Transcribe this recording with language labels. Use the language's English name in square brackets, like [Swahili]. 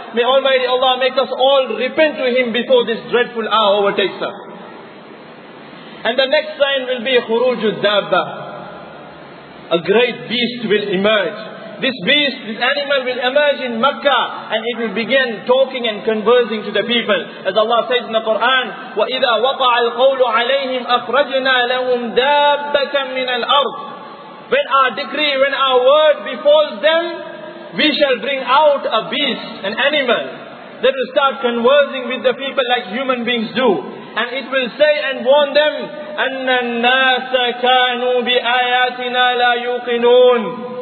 [English] May Almighty Allah make us all repent to Him before this dreadful hour overtakes us. And the next sign will be Khurujud Dabba. A great beast will emerge. This beast, this animal will emerge in Makkah, and it will begin talking and conversing to the people. As Allah says in the Quran, [Arabic] وَإِذَا وَقَعَ الْقَوْلُ عَلَيْهِمْ أَخْرَجْنَا لَهُمْ دَابَّةً مِنَ الْأَرْضِ. [English] When our decree, when our word befalls them, we shall bring out a beast, an animal, that will start conversing with the people like human beings do. And it will say and warn them, [Arabic] أَنَّ النَّاسَ كَانُوا بِآيَاتِنَا لَا يُقِنُونَ.